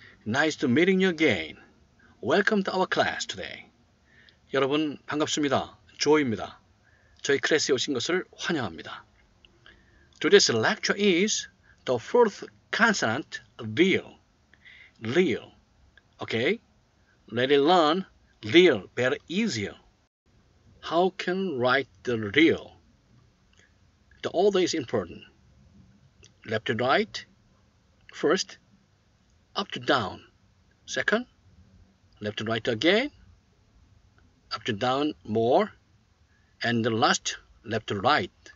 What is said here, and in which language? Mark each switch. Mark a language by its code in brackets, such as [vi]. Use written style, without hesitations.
[en] Nice to meeting you again. Welcome to our class today. [ko] 여러분 반갑습니다. 조입니다. 저희 클래스에 오신 것을 환영합니다. [en] Today's lecture is the fourth consonant, real. Real. Okay? Let it learn real very easier. How can write the real? The order is important. Left to right, first, up to down, second, left to right again, up to down more, and the last, left to right.